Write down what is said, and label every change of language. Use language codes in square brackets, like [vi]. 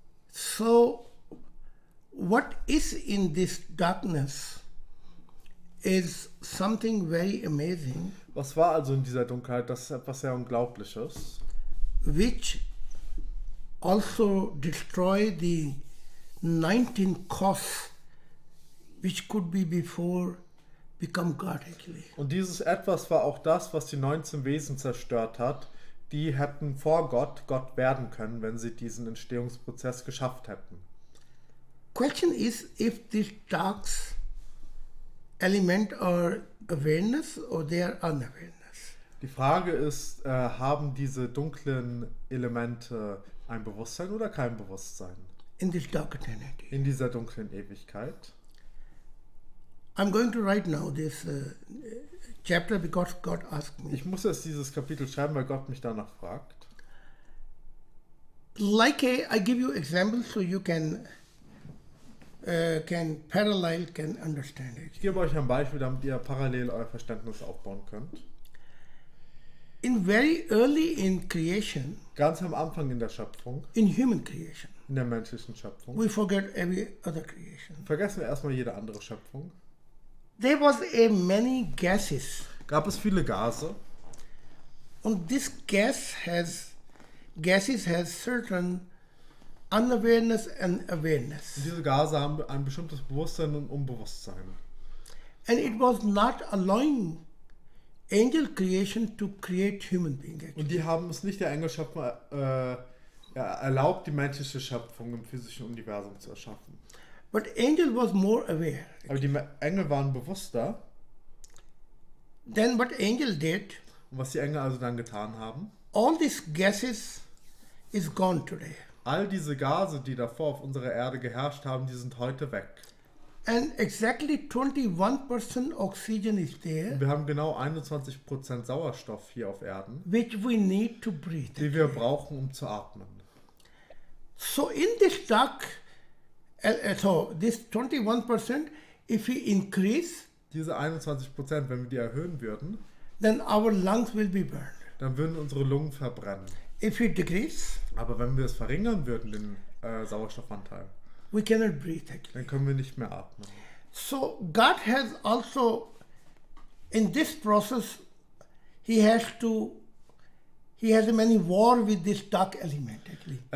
[en] So, what is in this darkness is something very amazing, [de] Was war also in dieser Dunkelheit? Das ist etwas sehr Unglaubliches. [en] which also destroy the 19 costs which could be before become God actually. [de] Und dieses Etwas war auch das, was die 19 Wesen zerstört hat, die hätten vor Gott Gott werden können, wenn sie diesen Entstehungsprozess geschafft hätten. [en] Question is, if this dark element are awareness or they are unawareness. [de] Die Frage ist, haben diese dunklen Elemente ein Bewusstsein oder kein Bewusstsein [en] In this dark eternity. [de] in dieser dunklen Ewigkeit? [en] I'm going to write now this chapter because God asked me. [de] Ich muss jetzt dieses Kapitel schreiben, weil Gott mich danach fragt. [en] Like I give you examples so you can parallel can understand [de] Ich gebe euch ein Beispiel, damit ihr parallel euer Verständnis aufbauen könnt. [en] In very early in creation, [de] Ganz am Anfang in der Schöpfung, [en] in human creation, [de] in der menschlichen Schöpfung, [en] we forget every other creation. [de] vergessen wir erstmal jede andere Schöpfung. [en] There was a many gases. [de] Gab es viele Gase? [en] And this gases has certain Unawareness and awareness. [de] Und diese Gase haben ein bestimmtes Bewusstsein und Unbewusstsein. [en] And it was not allowing angel creation to create human being. [de] Und die haben es nicht der Engelschöpfung erlaubt, die menschliche Schöpfung im physischen Universum zu erschaffen. [en] But angel was more aware. [de] Aber die Engel waren bewusster. [en] Then what angel did? [de] Und was die Engel also dann getan haben? [en] All these gases is gone today. [de] All diese Gase, die davor auf unserer Erde geherrscht haben, die sind heute weg. [en] And exactly 21% oxygen is there. [de] Wir haben genau 21% Sauerstoff hier auf Erden, [en] which we need to breathe. [de] Die wir brauchen, um zu atmen. [en] So in this dark, so this 21%, if we increase, [de] diese 21%, wenn wir die erhöhen würden, [en] then our lungs will be burned. [de] Dann würden unsere Lungen verbrennen. [en] If we decrease, [de] aber wenn wir es verringern würden, den Sauerstoffanteil, [en] we cannot breathe again. [de] Dann können wir nicht mehr atmen. [en] So God has also in this process he has many war with this dark element actually.